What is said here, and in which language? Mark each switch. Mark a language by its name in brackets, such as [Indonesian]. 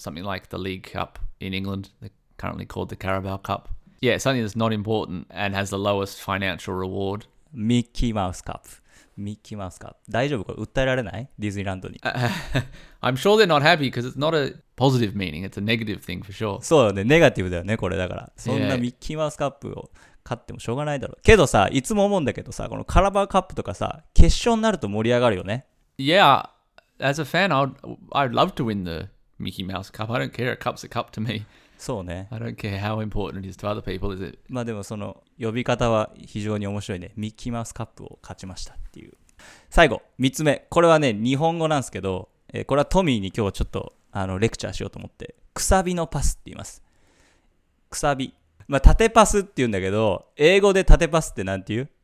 [English] Something like the League Cup in England, currently called the Carabao Cup. Yeah, something that's not important and has the lowest financial reward. [Japanese] Mickey Mouse Cup. Mickey Mouse Cup. 大丈夫か?訴えられない?ディズニーランドに。 [English] I'm sure they're not happy because it's not a positive meaning. It's a negative thing for sure. [Japanese] そうだね。ネガティブだよね、これだから。そんなミッキーマウスカップを買ってもしょうがないだろう。けどさ、いつも思うんだけどさ、このカラバーカップとかさ、決勝になると盛り上がるよね。 [English] Yeah, as a fan, I'd love to win the Mickey Mouse Cup. I don't care. A cup's a cup to me. [Japanese] そうね。 [English] I don't care how important it is to other people, is it? [Japanese] まあでもその呼び方は非常に面白いね。ミッキーマウスカップを勝ちましたっていう。最後、三つ目。これはね、日本語なんですけど、これはトミーに今日ちょっとあのレクチャーしようと思って、くさびのパスって言います。くさび、まあ縦パスって言うんだけど、英語で縦パスってなんて言う？